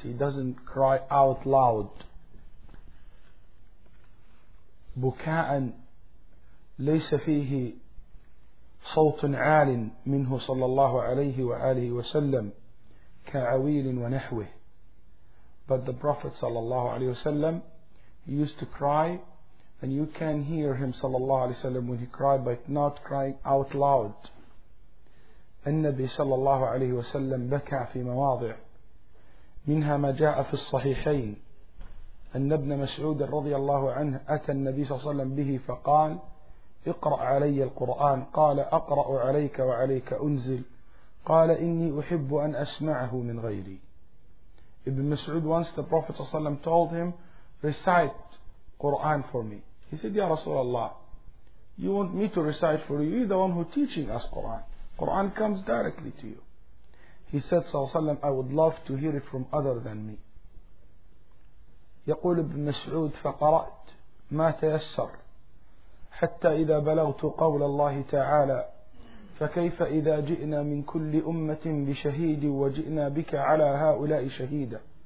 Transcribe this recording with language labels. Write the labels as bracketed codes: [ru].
[en] He doesn't cry out loud. [ar] بكاء ليس فيه صوت عال منه صلى الله عليه وآله وسلم كعويل ونحوه. [en] But the Prophet [ar] sallallahu alaihi wasallam [en] used to cry, and you can hear him sallallahu alaihi wasallam when he cried, but not crying out loud. [ar] النبي صلى الله عليه وسلم بكى في مواضع منها ما جاء في الصحيحين أن ابن مسعود رضي الله عنه أتى النبي صلى الله عليه وسلم به فقال اقرأ علي القرآن. قال أقرأ عليك وعليك أنزل. قال إني أحب أن أسمعه من غيري. [en] Ibn Mas'ud, once the Prophet ﷺ told him, recite Quran for me. He said, Ya Rasulullah, you want me to recite for you? You're the one who teaching us Quran. Quran comes directly to you. He said, ﷺ, I would love to hear it from other than me. [ar] يقول ابن مسعود فقرأت ما تيسر حتى إذا بلغت قول الله تعالى فكيف إذا جئنا من كل أمة بشهيد وجئنا بك على هؤلاء شهيدا.